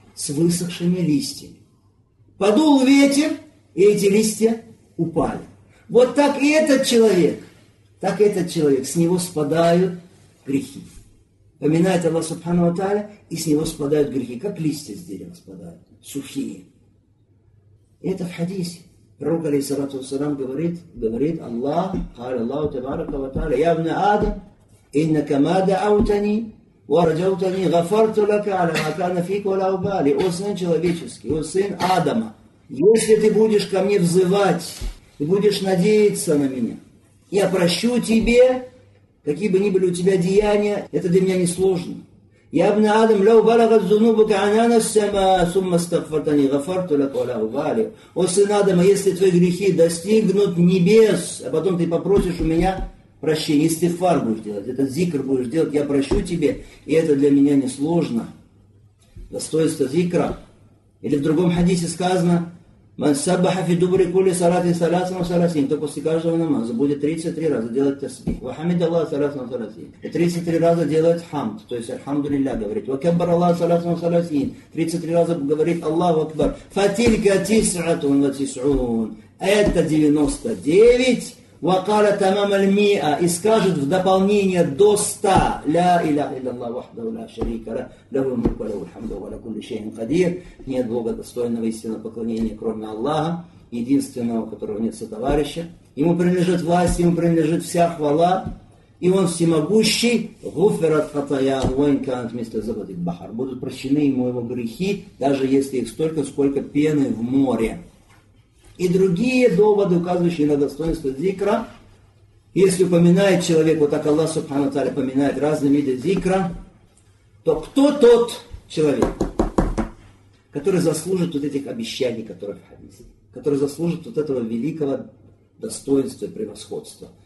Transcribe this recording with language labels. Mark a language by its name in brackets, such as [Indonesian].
[Russian] С высохшими листьями. Подул ветер, и эти листья упали. Вот так и этот человек, так и этот человек, с него спадают грехи. Поминает Аллах Субхану ва Тааля, и с него спадают грехи, как листья с дерева спадают, сухие. И это в хадисе. Пророк, алейхиссалату вассалам, говорит Аллах, [Arabic] قال الله تبارك وتعالى يا ابن آدم إنك ما دعوتني ورجوتني غفرت لك على ما كان فيك ولا أبالي. [Russian] О сын человеческий, о сын Адама, если ты будешь ко мне взывать, ты будешь надеяться на меня, я прощу тебе, какие бы ни были у тебя деяния, это для меня несложно. [Arabic] Я ابن Адам, لو بلغت ذنوبك عنان السماء ثم استغفرتني غفرت لك ولا أبالي. [Russian] О сын Адама, если твои грехи достигнут небес, а потом ты попросишь у меня прощения, истифар будешь делать, этот зикр будешь делать, я прощу тебе, и это для меня несложно. Достоинство зикра. Или в другом хадисе сказано: [Arabic] من سبح في دبر كل صلاة ثلاثة وثلاثين. [Russian] То после каждого намаза будет 33 раза делать тасбих. [Arabic] وحمد الله ثلاثة وثلاثين. [Russian] 33 раза делать хамд. То есть Альхамдулилля говорит. [Arabic] وكبر الله ثلاثة وثلاثين. [Russian] 33 раза говорит Аллаху Акбар. [Arabic] فتلك تسعة وتسعون. [Russian] Это 99. [Arabic] وقال تمام المئة. [Russian] И скажет в дополнение до 100. [Arabic] لا إله إلا الله وحده لا شريك له. له الملك وله الحمد وهو على كل شيء قدير. [Russian] Нет Бога достойного истинного поклонения, кроме Аллаха, единственного, которого нет сотоварища. Ему принадлежит власть, ему принадлежит вся хвала. И он всемогущий. [Arabic] غفرت خطايا وإن كانت مثل زبد البحر. [Russian] Будут прощены ему его грехи, даже если их столько, сколько пены в море. И другие доводы, указывающие на достоинство зикра, если упоминает человек, вот так Аллах Субхану Тааля упоминает разные виды зикра, то кто тот человек, который заслужит вот этих обещаний, которые в хадисе, который заслужит вот этого великого достоинства и превосходства?